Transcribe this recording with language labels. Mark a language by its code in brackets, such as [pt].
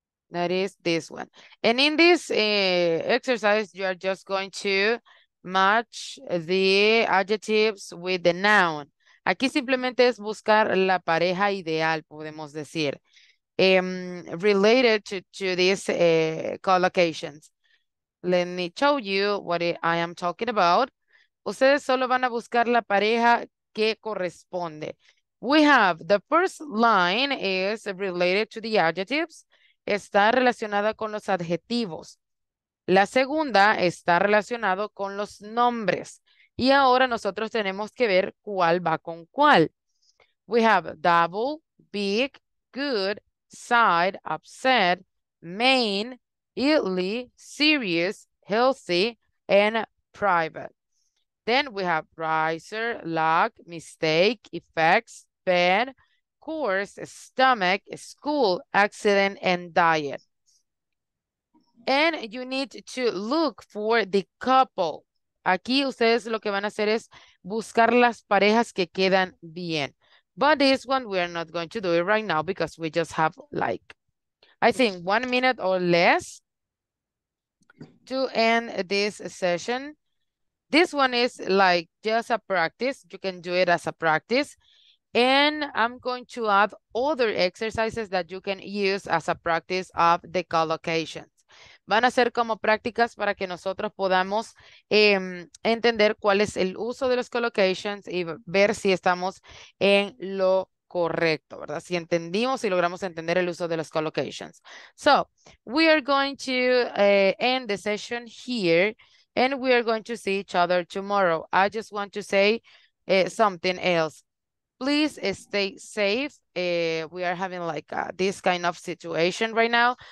[en] That is this one. And in this exercise, you are just going to match the adjectives with the noun. [es] Aquí simplemente es buscar la pareja ideal, podemos decir, [en] related to these collocations. Let me show you what I am talking about. [es] Ustedes solo van a buscar la pareja que corresponde. [en] We have the first line is related to the adjectives. [es] Está relacionada con los adjetivos. La segunda está relacionado con los nombres. Y ahora nosotros tenemos que ver cuál va con cuál. [en] We have double, big, good, side, upset, main, illy, serious, healthy, and private. Then we have riser, luck, mistake, effects, bed, course, stomach, school, accident, and diet. And you need to look for the couple. [es] Aquí ustedes lo que van a hacer es buscar las parejas que quedan bien. [en] But this one we are not going to do it right now because we just have like, I think 1 minute or less to end this session. This one is like just a practice. You can do it as a practice. And I'm going to add other exercises that you can use as a practice of the collocation. [es] Van a ser como prácticas para que nosotros podamos entender cuál es el uso de los collocations y ver si estamos en lo correcto, ¿verdad? Si entendimos y logramos entender el uso de los collocations. [en] So, we are going to end the session here and we are going to see each other tomorrow. I just want to say something else. Please stay safe. We are having like this kind of situation right now.